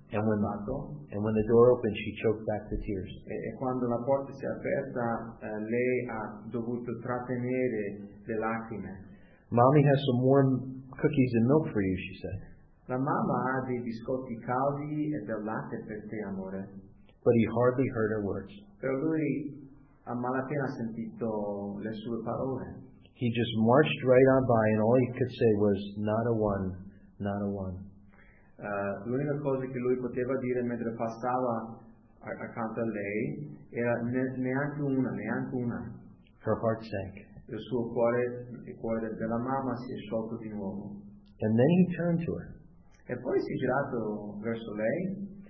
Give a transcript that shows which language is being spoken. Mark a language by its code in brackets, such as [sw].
[en] And when the door opened, she choked back the tears. [it] E quando la porta si è aperta, lei ha dovuto trattenere le lacrime. [en] Mommy has some warm cookies and milk for you, she said. [it] La mamma ha dei biscotti caldi e del latte per te, amore. [en] But he hardly heard her words. [it] Però lui a malapena ha sentito le sue parole. [en] He just marched right on by, and all he could say was, "Not a one, not a one." [it] L'unica cosa che lui poteva dire mentre passava accanto a lei era neanche una, neanche una. [en] Her heart sank. [it] Il suo cuore, il cuore della mamma si è sciolto di nuovo. [en] And then he turned to her. [it] E poi si è girato verso lei.